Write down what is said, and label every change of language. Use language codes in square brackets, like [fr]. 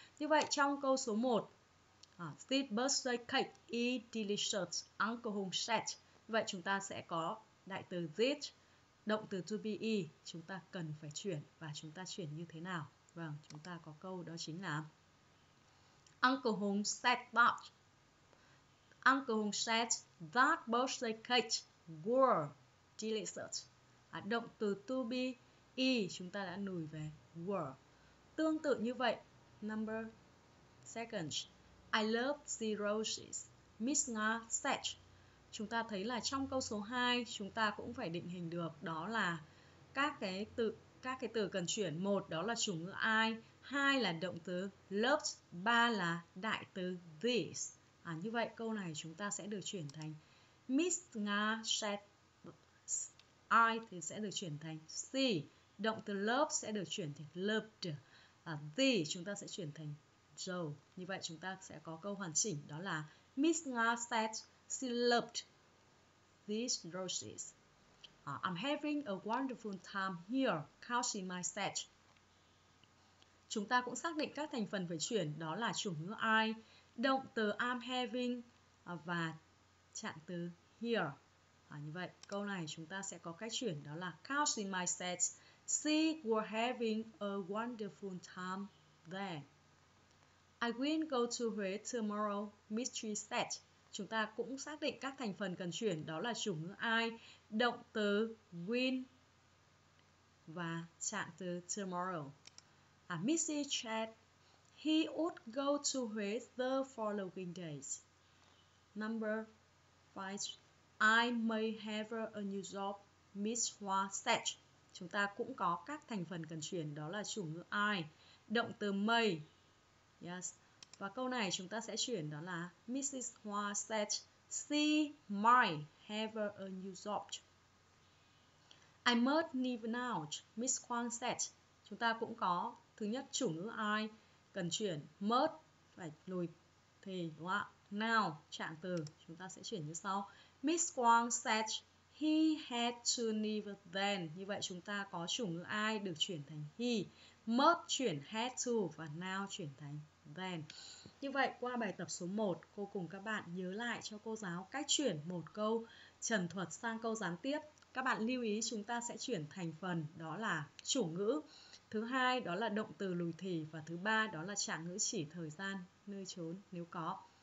[vi] Như vậy, trong câu số 1, [en] this birthday cake is delicious, Uncle Hong said. [vi] Vậy chúng ta sẽ có đại từ this, động từ to be, chúng ta cần phải chuyển và chúng ta chuyển như thế nào. Vâng, chúng ta có câu đó chính là [en] Uncle Hong said that. Uncle Hong said that birthday cake were delicious. [vi] Động từ to be chúng ta đã lùi về were. Tương tự như vậy, [en] number second, I love the roses, Miss Nga said. [vi] Chúng ta thấy là trong câu số 2, chúng ta cũng phải định hình được đó là các cái từ cần chuyển. Một, đó là chủ ngữ I. Hai là động từ loved. Ba là đại từ this. Như vậy, câu này chúng ta sẽ được chuyển thành Miss Nga said I thì sẽ được chuyển thành she. Động từ loved sẽ được chuyển thành loved. The chúng ta sẽ chuyển thành Joe. Như vậy chúng ta sẽ có câu hoàn chỉnh, đó là [en] Miss Nga said she loved these roses. I'm having a wonderful time here, Kelsey my said. [vi] Chúng ta cũng xác định các thành phần phải chuyển, đó là chủ ngữ I, động từ I'm having và trạng từ here. Như vậy câu này chúng ta sẽ có cách chuyển, đó là [en] Kelsey my said she were having a wonderful time there. I will go to Huế tomorrow, Miss Tree said. [vi] Chúng ta cũng xác định các thành phần cần chuyển, đó là chủ ngữ I, động từ will và trạng từ tomorrow. [en] Miss Tree said, he would go to Huế the following days. Number 5, I may have a new job, Miss Hua said. [vi] Chúng ta cũng có các thành phần cần chuyển, đó là chủ ngữ I, động từ may. Yes. Và câu này chúng ta sẽ chuyển, đó là [en] Mrs. Hua said she might have a new job. I must leave now, Miss Huang said. [vi] Chúng ta cũng có thứ nhất chủ ngữ I cần chuyển, must phải lùi thì, đúng không ạ? Now trạng từ chúng ta sẽ chuyển như sau. [en] Miss Huang said he had to leave then. [vi] Như vậy chúng ta có chủ ngữ I được chuyển thành he, must chuyển had to và now chuyển thành van. Như vậy, qua bài tập số 1, cô cùng các bạn nhớ lại cho cô giáo cách chuyển một câu trần thuật sang câu gián tiếp. Các bạn lưu ý chúng ta sẽ chuyển thành phần đó là chủ ngữ, thứ hai đó là động từ lùi thì và thứ ba đó là trạng ngữ chỉ thời gian, nơi chốn nếu có.